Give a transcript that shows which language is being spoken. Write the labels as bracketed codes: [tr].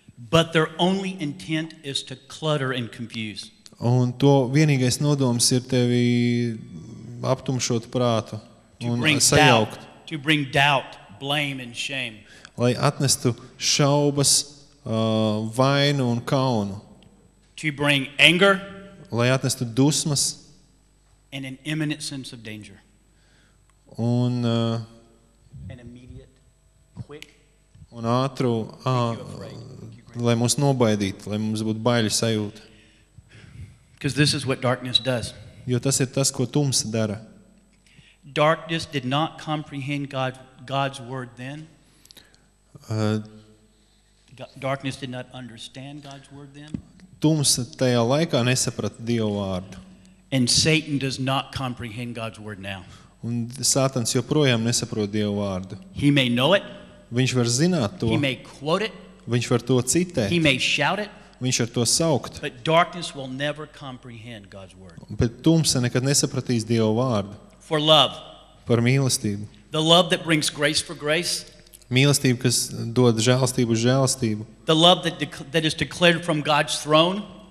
[en] But their only intent is to clutter and confuse. [lv] Un to vienīgais nodoms ir tevi aptumšot prātu un sajaukt. [en] To bring doubt, blame and shame. [lv] Lai atnestu šaubas, vainu un kaunu. [en] To bring anger. [lv] Lai atnestu dusmas. [en] And an imminent sense of danger. [lv] Un [en] an immediate, quick. [lv] Un ātru, lai mūs nobaidītu, lai mums būtu baiļu sajūta. [en] Because this is what darkness does. Jo tas ir tas, ko tumsa dara. Darkness did not comprehend God's word then. Darkness did not understand God's word then. [lv] Tumsa tajā laikā nesaprata Dieva vārdu. [en] And Satan does not comprehend God's word now. [lv] Un Sātans joprojām nesaprot Dieva vārdu. [en] He may know it. [lv] Viņš var zināt to. [en] He may quote it. [lv] Viņš var to citēt. [en] He may shout it. [lv] Viņš var to saukt. [en] But darkness will never comprehend God's word. [lv] Bet tumsa nekad nesapratīs Dieva vārdu. [en] For love. [lv] Par mīlestību. [en] The love that brings grace for grace. [lv] Mīlestība, kas dod žēlastību uz žēlastību. [en] The love that is declared from God's throne.